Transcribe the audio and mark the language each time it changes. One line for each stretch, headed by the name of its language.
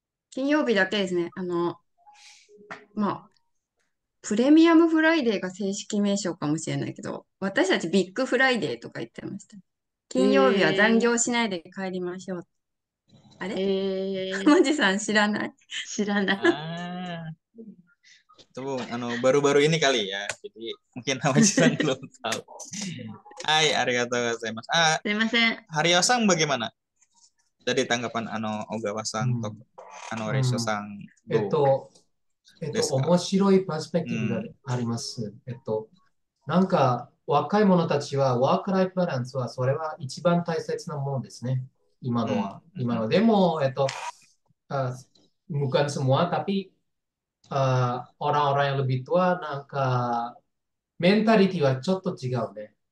Japanese: 金曜日だけですね。まあ、プレミアムフライデーが正式名称かもしれないけど、私たちビッグフライデーとか言ってました。金曜日は残業しないで帰りましょう。あれ、浜地さん知らない？知らない。
Indonesian: あ、baru-baru ini kali ya, jadi mungkin 浜地さん belum tahu.
Japanese: Hai, arigatou gozaimasu. すいません、
Indonesian: Hario さん bagaimana dari tanggapan Ogawa さんと Reisho さん、どう？
Japanese: 面白いパースペクティブがあります、うん。なんか若い者たちはワークライフバランスはそれは一番大切なものですね、今のは。うん、今のでも、
Indonesian: bukan semua, tapi orang-orang yang lebih tua,
Japanese: なんかメンタリティはちょっと違うね。